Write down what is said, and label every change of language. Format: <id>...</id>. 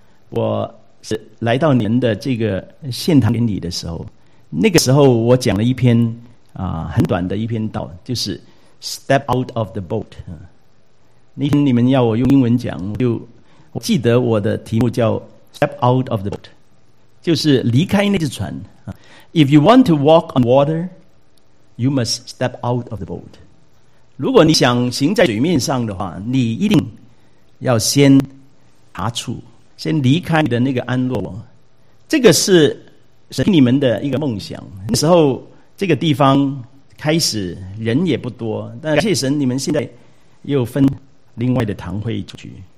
<zh>我是来到您的这个献堂典礼的时候，那个时候我讲了一篇很短的一篇道，就是</zh> <en>Step out of the boat。</en> <zh>那天你们要我用英文讲，就我记得我的题目叫</zh> <en>Step out of the boat，</en> <zh>就是离开那只船。</zh> <en>If you want to walk on water, you must step out of the boat。</en> <zh>如果你想行在水面上的话，你一定要先踏出，先离开你的那个安落。这个是神给你们的一个梦想。那时候这个地方开始人也不多，但感谢神，你们现在又分另外的堂会出去。</zh>